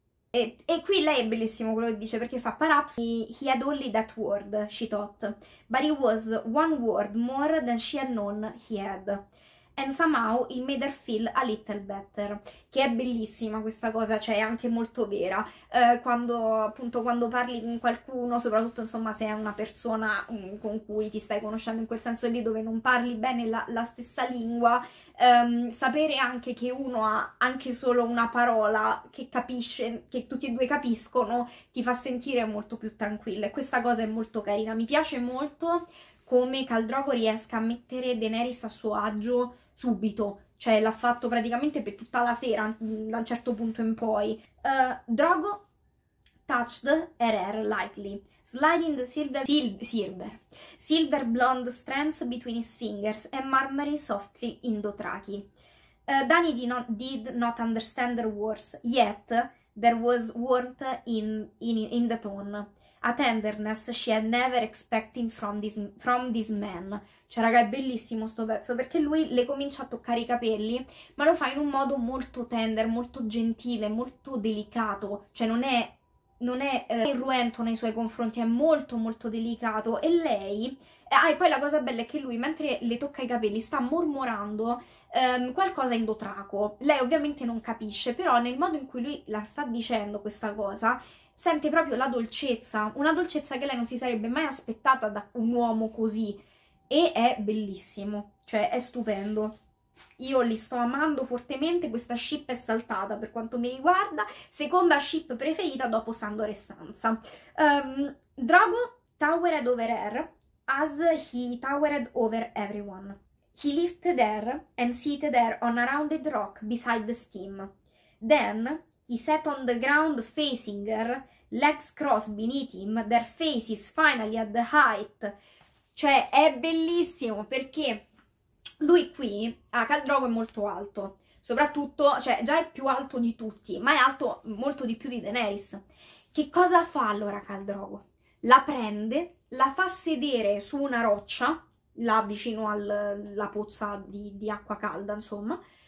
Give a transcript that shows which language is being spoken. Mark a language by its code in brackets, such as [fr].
[it] E qui lei è bellissimo quello che dice, perché fa [en] perhaps he had only that word, she thought, but it was one word more than she had known he had. And somehow it made her feel a little better. [it] Che è bellissima questa cosa, cioè è anche molto vera. Quando appunto quando parli con qualcuno, soprattutto insomma se è una persona con cui ti stai conoscendo in quel senso lì dove non parli bene la stessa lingua, sapere anche che uno ha anche solo una parola che capisce, che tutti e due capiscono, ti fa sentire molto più tranquilla. E questa cosa è molto carina. Mi piace molto come Khal Drogo riesca a mettere Daenerys a suo agio subito, cioè l'ha fatto praticamente per tutta la sera, da un certo punto in poi. [en] Drogo touched her hair lightly, sliding the silver blonde strands between his fingers and murmuring softly in Dothraki. Danny did not understand their words, yet there was warmth in the tone. A tenderness she had never expected from this man. [it] Cioè, raga, è bellissimo sto pezzo perché lui le comincia a toccare i capelli, ma lo fa in un modo molto tender, molto gentile, molto delicato. Cioè, non è irruento nei suoi confronti, è molto molto delicato. E lei. Ah, e poi la cosa bella è che lui, mentre le tocca i capelli, sta mormorando qualcosa in dotraco. Lei ovviamente non capisce, però nel modo in cui lui la sta dicendo questa cosa. Sente proprio la dolcezza, una dolcezza che lei non si sarebbe mai aspettata da un uomo così. E è bellissimo, cioè è stupendo. Io li sto amando fortemente, questa ship è saltata per quanto mi riguarda. Seconda ship preferita dopo Sandor e Sansa. [en] Drogo towered over her, as he towered over everyone. He lived there and seated there on a rounded rock beside the steam. Then he sat on the ground facing her, legs crossed beneath him, their faces finally at the height. [it] Cioè, è bellissimo perché lui qui, Khal Drogo è molto alto, soprattutto, cioè già è più alto di tutti, ma è alto molto di più di Daenerys. Che cosa fa allora Khal Drogo? La prende, la fa sedere su una roccia, là vicino alla pozza di acqua calda, insomma.